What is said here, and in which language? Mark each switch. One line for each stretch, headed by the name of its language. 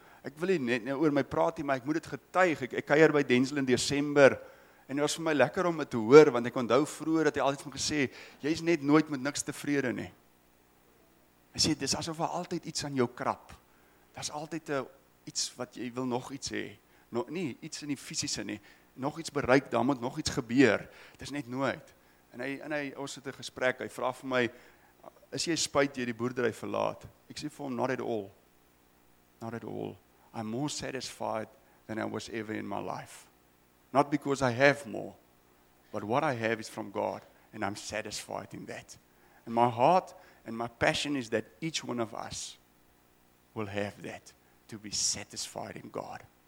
Afrikaans: Ek wil nie net oor my praat nie, maar ek moet dit getuig. Ek kuier by Denzel in December en dit was vir my lekker om dit te hoor, want ek onthou vroeger dat hy altyd vir my gesê, jy is net nooit met niks tevrede nie. Hy sê, dis asof hy altyd iets aan jou krap. Daar's altyd iets wat jy wil nog iets hê. Nie iets in die fisiese nie. Nog iets bereik, daar moet nog iets gebeur. Dis net nooit. En hy ons het 'n gesprek, hy vra vir my, is jy spyt jy die boerdery verlaat? Ek sê vir hom,
English: not at all. Not at all. I'm more satisfied than I was ever in my life. Not because I have more, but what I have is from God, and I'm satisfied in that. And my heart and my passion is that each one of us will have that, to be satisfied in God.